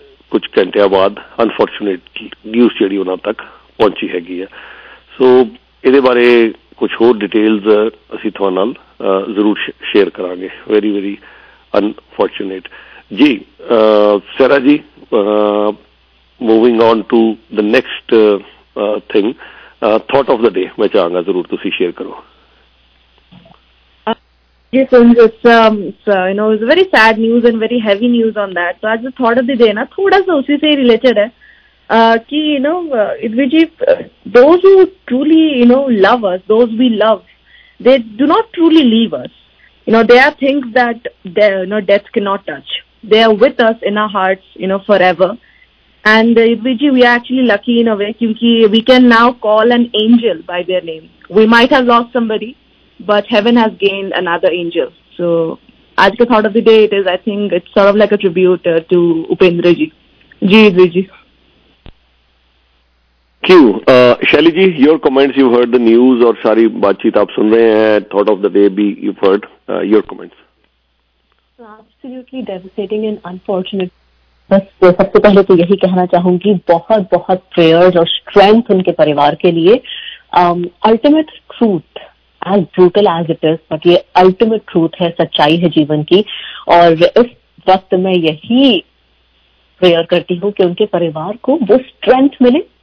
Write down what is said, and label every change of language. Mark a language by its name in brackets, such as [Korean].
[Punjabi] ਕੁਝ ਘੰਟਿਆਂ ਬਾਅਦ ਅਨਫੋਰਚੁਨੇਟ ਨਿਊਜ਼ ਜਿਹੜੀ ਉਹਨਾਂ ਤੱਕ ਪਹੁੰਚੀ ਹੈਗੀ ਆ ਸੋ ਇਹਦੇ ਬਾਰੇ ਕੁਝ ਹੋਰ ਡਿਟੇਲਸ ਅਸੀਂ ਤੁਹਾਡੇ ਨਾਲ ਜ਼ਰੂਰ ਸ਼ੇਅਰ ਕਰਾਂਗੇ ਵੈਰੀ ਵੈਰੀ ਅਨਫੋਰਚੁਨੇਟ ਜੀ ਸਰਾ ਜੀ moving on to the next thing thought of the ਡੇ ਮੈਂ ਚਾਹਾਂਗਾ ਜ਼ਰੂਰ ਤੁਸੀਂ ਸ਼ੇਅਰ ਕਰੋ [English] Yes, so you know, it's a very sad news and very heavy news on that. So, as the thought of the day, [Hindi] thoda sa usi se related hai, [English] ki, you know, Idviji, those who truly, you know, love us, those we love, they do not truly leave us. You know, there are things that, you know, death cannot touch. They are with us in our hearts, you know, forever. And Idviji, we are actually lucky in a way, [Hindi] kyunki [English] we can now call an angel by their name. We might have lost somebody. But heaven has gained another angel. So, [Hindi] aaj ka [English] thought of the day, it is, I think, it's sort of like a tribute to Upendra ji. Ji, Idvi ji. Q, Shaili ji, your comments, you've heard the news, [Hindi] aur sari baat cheet aap sun rahe hain, [English] thought of the day, [Hindi] bhi [English] you've heard your comments. So, absolutely devastating and unfortunate. [Hindi] बस सबसे पहले तो यही कहना चाहूंगी बहुत बहुत prayers और strength उनके परिवार के लिए. [English] Ultimate truth. As brutal as it is, but [Hindi] ये ultimate truth है सच्चाई है जीवन की और इस वक्त मैं यही प्रेयर करती हूँ कि उनके परिवार को वो स्ट्रेंथ मिले